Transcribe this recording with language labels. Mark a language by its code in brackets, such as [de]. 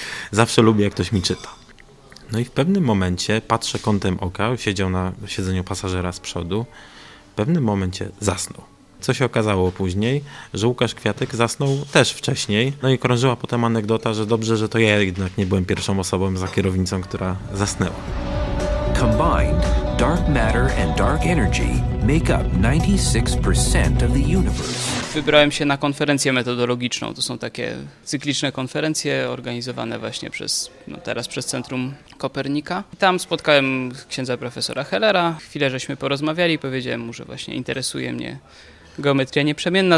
[pl] Zawsze lubię, jak ktoś mi czyta. No i w pewnym momencie patrzę kątem oka, siedział na siedzeniu pasażera z przodu, w pewnym momencie zasnął. Co się okazało później, że Łukasz Kwiatek zasnął też wcześniej, no i krążyła potem anegdota, że dobrze, że to ja jednak nie byłem pierwszą osobą za kierownicą, która zasnęła. [en] Combined, dark matter and dark energy make up 96% of the universe. [pl] Wybrałem się na konferencję metodologiczną. To są takie cykliczne konferencje organizowane właśnie przez, no teraz przez Centrum Kopernika. Tam spotkałem księdza profesora Hellera. Chwilę żeśmy porozmawiali, powiedziałem mu, że właśnie interesuje mnie geometria nieprzemienna.